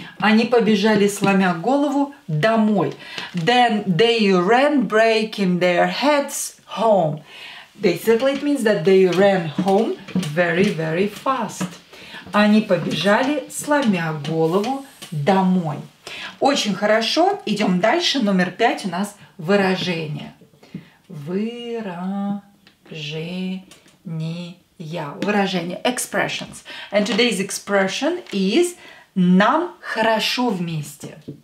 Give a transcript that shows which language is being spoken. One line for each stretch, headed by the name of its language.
Russian: Они побежали, сломя голову, домой.
English: Then they ran breaking their heads home. Basically, it means that they ran home very, very fast.
Russian: Они побежали, сломя голову, домой. Очень хорошо, идем дальше. Номер 5 у нас выражение. Выражения.
English: Выражение. Expressions. And today's expression is
Russian: нам хорошо вместе.